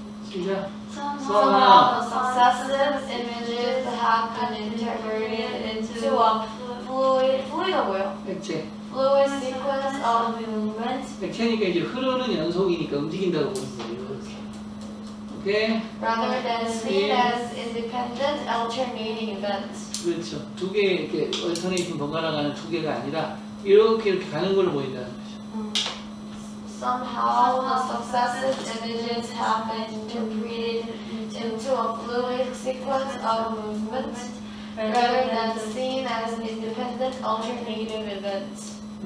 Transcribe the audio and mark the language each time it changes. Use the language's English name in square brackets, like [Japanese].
[English] Some successive images have been integrated into a fluid하고요. [Korean] 액체. [English] Fluid sequence of movement. [Korean] 액체니까 이제 흐르는 연속이니까 움직인다고 보는 거예요. [English] Okay. Rather than seen as independent alternating events. [Korean] 그렇죠. 두 개 이렇게 얼터네이팅 번갈아가는 두 개가 아니라 이렇게 이렇게 가는 걸 보인다는 거죠. [English] Somehow the successive images have been interpreted into a fluid sequence of movement rather than seen as independent alternative events.